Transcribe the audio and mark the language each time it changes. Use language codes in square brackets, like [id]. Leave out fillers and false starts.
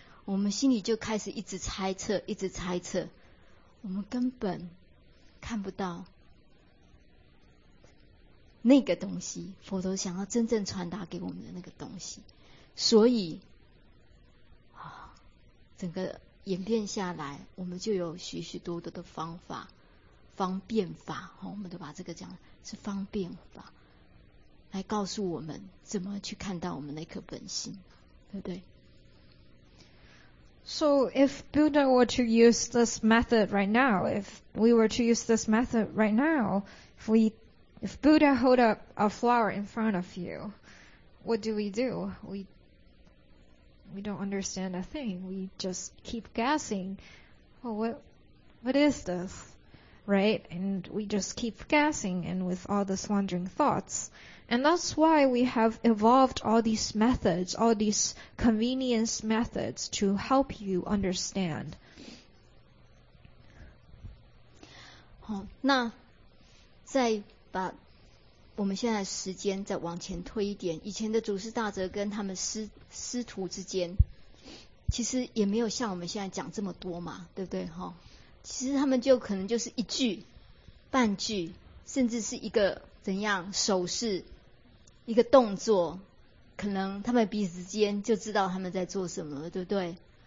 [zh] 我们心里就开始一直猜测，一直猜测，我们根本看不到那个东西，佛陀想要真正传达给我们的那个东西，所以啊，整个演变下来，我们就有许许多多的方法、方便法，哦、我们都把这个讲是方便法，来告诉我们怎么去看到我们那颗本心，对不对？ [en] So if Buddha were to use this method right now, if we were to use this method right now, if Buddha hold up a flower in front of you, what do? We don't understand a thing. We just keep guessing, well, what is this, right? And we just keep guessing and with all these wandering thoughts. And that's why we have evolved all these methods, all these convenience methods to help you understand. [zh] 好，那再把我们现在时间再往前推一点，以前的祖师大哲跟他们师徒之间，其实也没有像我们现在讲这么多嘛，对不对？哈，其实他们就可能就是一句、半句，甚至是一个怎样手势、一个动作，可能他们彼此之间就知道他们在做什么了，对不对？